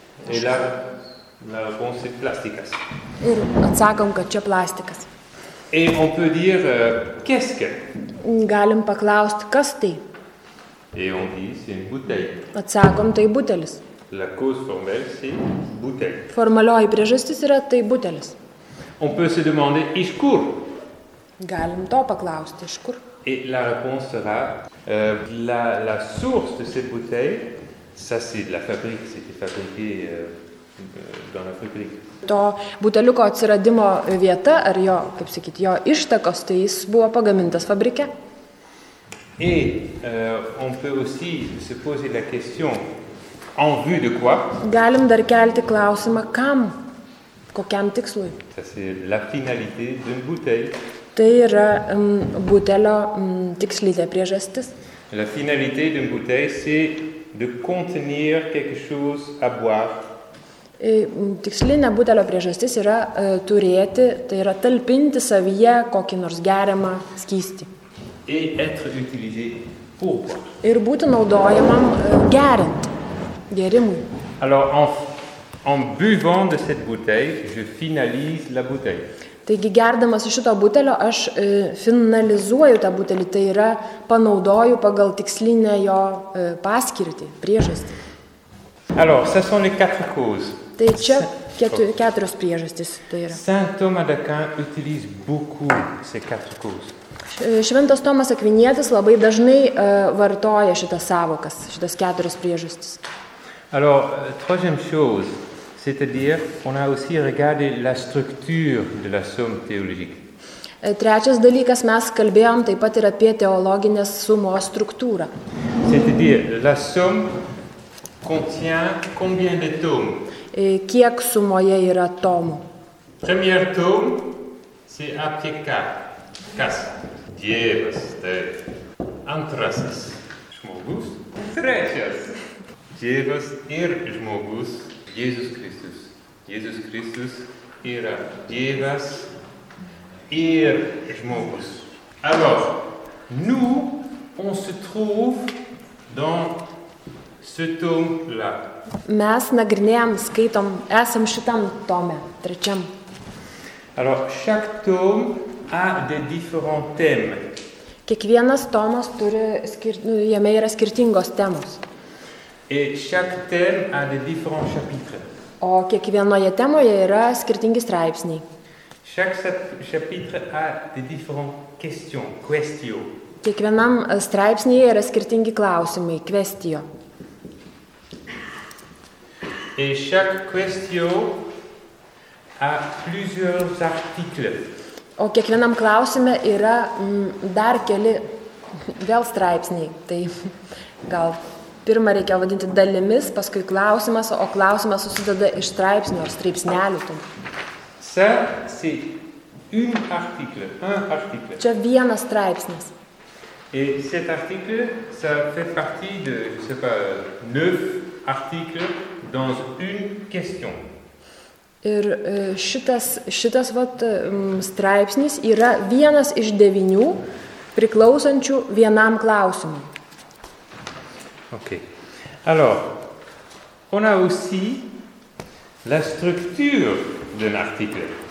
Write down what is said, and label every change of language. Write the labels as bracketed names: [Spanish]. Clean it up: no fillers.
[French] Et la réponse est plastikas. [Lithuanian] Ir atsakom, kad čia plastikas. [French] Et on peut dire, qu'est-ce que? [Lithuanian] Galim paklausti, kas tai? [French] Et on dit, c'est une bouteille. [Lithuanian] Atsakom, tai butelis. [French] La cause formelle, c'est bouteille. [Lithuanian] Formalioji priežastis yra, tai butelis. [French] On peut se demander, [Lithuanian] iš kur? Galim to paklausti, iš kur? [French] Et la réponse sera, la source de cette bouteille, ça c'est de la fabrique, c'était fabriqué dans la fabrique. [Lithuanian] To buteliuko atsiradimo vieta, ar jo, kaip sakyt, jo ištakos, tai jis buvo pagamintas fabrike. [French] Et on peut aussi se poser la question, en vue de quoi? [Lithuanian] Galim dar kelti klausimą, kam, kokiam tikslui. [French] Ça c'est la finalité d'une bouteille. [Lithuanian] Tai yra butelio tikslinė priežastis. [French] La finalité d'une bouteille, c'est de contenir quelque chose à boire. [Lithuanian] Tikslinė butelio priežastis yra turėti, tai yra talpinti savyje kokį nors geriamą skystį. [French] Et être utilisé pour boire. [Lithuanian] Ir būti naudojamam gerint, gerimui. [French] Alors, en buvant de cette bouteille, je finalise la bouteille. [Lithuanian] Taigi, gerdamas šito butelio, aš finalizuoju tą butelį, tai yra panaudoju pagal tikslinę jo paskirtį, priežastį. [French] Alors, ce sont les quatre causes. [Lithuanian] Tai čia keturios priežastys tai yra. [French] Saint Thomas d'Aquin utilise beaucoup ces quatre causes. [Lithuanian] Šventas Tomas Akvinietis labai dažnai vartoja šitas sąvokas, šitas keturios priežastys. [French] Alors, troisième chose, c'est-à-dire, on a aussi regardé la structure de la somme théologique. [Lithuanian] Trečias dalykas, mes kalbėjom taip pat ir apie teologinės sumos struktūrą. [French] C'est-à-dire, la somme contient combien de tomes? [Lithuanian] Kiek sumoje yra tomų? [French] Premier tome, c'est [Lithuanian] apie ką? Kas? Dievas, taip. Antrasis, žmogus. Trečias, Dievas ir žmogus, Jėzus Kristus. Jėzus Kristus yra Dievas ir žmogus. [French] Alors, nous, on se trouve dans ce tome-là. [Lithuanian] Mes nagrinėjom, skaitom, esam šitam tome, trečiam. [French] Alors, chaque tome a des différents thèmes. [Lithuanian] Kiekvienas tomas turi, jame yra skirtingos temos. [French] Et chaque thème a des différents chapitres. [Lithuanian] O kiekvienoje temoje yra skirtingi straipsniai. [French] Chaque chapitre a des différents questions, questio. [Lithuanian] Kiekvienam straipsnyje yra skirtingi klausimai, questio. [French] Et chaque questio a plusieurs articles. [Lithuanian] O kiekvienam klausime yra dar keli vėl straipsniai, tai gal pirmą reikia vadinti dalimis, paskui klausimas, o klausimas susideda iš straipsnių ar straipsnelių. [French] Ça, c'est un article, un article. [Lithuanian] Čia vienas straipsnis. [French] Et cet article, ça fait partie de, je sais pas, 9 articles dans une question. [Lithuanian] Ir šitas vat, straipsnis yra vienas iš 9 priklausančių vienam klausimui. [French] OK. Alors, on a aussi la structure d'un article.